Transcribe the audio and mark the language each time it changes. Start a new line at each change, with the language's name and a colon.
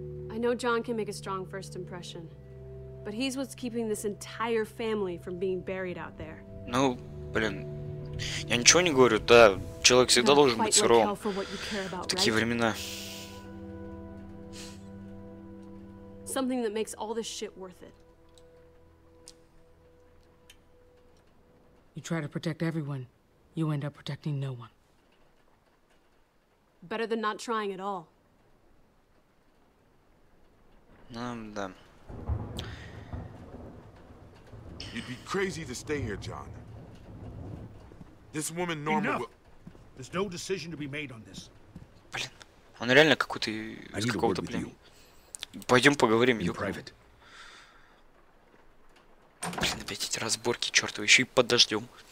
English: I know John can make a strong first impression, but he's what's keeping this entire family from being buried out there.
Russian: Ну, блин. Я ничего не говорю, да. Человек всегда должен быть суровым. В такие времена.
English: Something that makes all this shit worth it. You try to protect everyone, you end up protecting no one. Better than not trying at all.
Russian: Да.
English: You'd be crazy to stay here, John. This woman Norma will... There's no decision to be made on this.
Russian: Блин, он реально какой-то из какого-то, блин. Пойдем поговорим, ёбаный. Блин, опять эти разборки, чертовы, еще и под дождем.